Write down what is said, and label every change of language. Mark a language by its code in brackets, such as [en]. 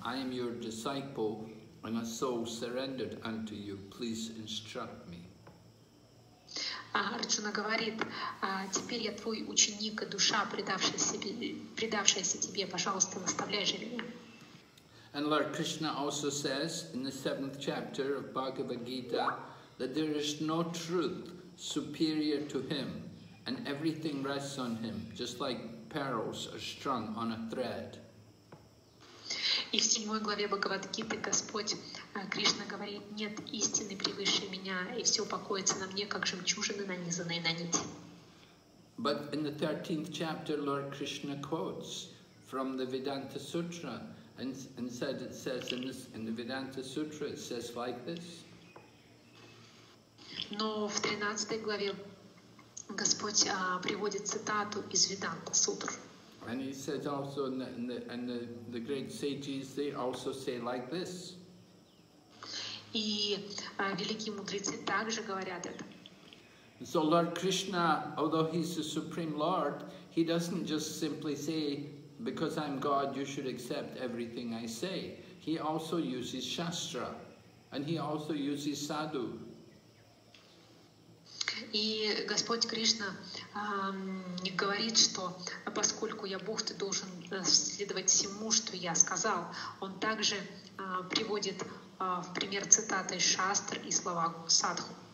[en] I am your disciple, I'm a soul surrendered unto you. Please instruct me. [ru] Арджуна говорит, теперь я твой ученик и душа, предавшаяся тебе, пожалуйста, наставляй же меня. [en] And Lord Krishna also says in the 7th chapter of Bhagavad Gita that there is no truth superior to him, and everything rests on him, just like pearls are strung on a thread. [ru] И в 7 главе Бхагавад-гиты Господь Кришна говорит, нет истины превыше меня, и все покоится на мне, как жемчужины, нанизанные на нити. [en] But in the 13th chapter, Lord Krishna quotes from the Vedanta Sutra, and said, it says in the Vedanta Sutra, it says like this. [ru] Но в 13 главе Господь приводит цитату из Веданта Сутр. [en] And he said also in the great sages, they also say like this. [ru] И великие мудрецы также говорят это. [en] So Lord Krishna, although he's the Supreme Lord, he doesn't just simply say, because I'm God, you should accept everything I say. He also uses Shastra, and he also uses Sadhu. [ru] И Господь Кришна говорит, что поскольку я Бог, ты должен следовать всему, что я сказал. Он также приводит в пример цитаты шастр и слова садху.